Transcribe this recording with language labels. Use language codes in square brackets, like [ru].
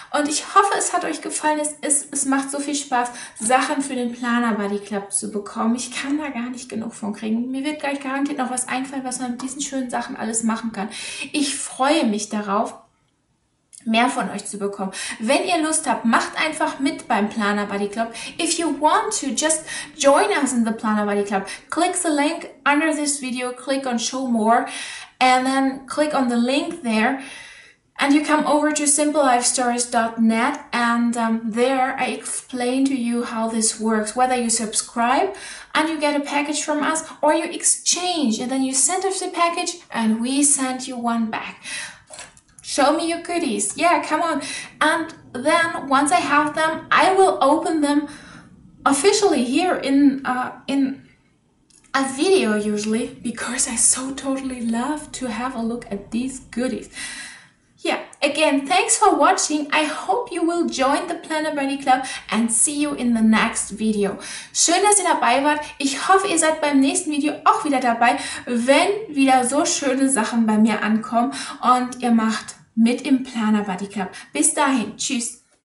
[de] Und ich hoffe, es hat euch gefallen. Es macht so viel Spaß, Sachen für den Planner Buddy Club zu bekommen. Ich kann da gar nicht genug von kriegen. Mir wird gleich garantiert noch was einfallen, was man mit diesen schönen Sachen alles machen kann. Ich freue mich darauf, mehr von euch zu bekommen. Wenn ihr Lust habt, macht einfach mit beim Planner Buddy Club. [en] If you want to, just join us in the Planner Buddy Club. Click the link under this video, click on show more and then click on the link there and you come over to simplelifestories.net and there I explain to you how this works, whether you subscribe and you get a package from us or you exchange and then you send us the package and we send you one back. Show me your goodies. Yeah, come on. And then once I have them, I will open them officially here in a video usually because I so totally love to have a look at these goodies. Yeah, again, thanks for watching. I hope you will join the Planner Buddy Club and see you in the next video. [de] Schön, dass ihr dabei wart. Ich hoffe, ihr seid beim nächsten Video auch wieder dabei, wenn wieder so schöne Sachen bei mir ankommen und ihr macht mit im Planner Buddy Club. Bis dahin, tschüss.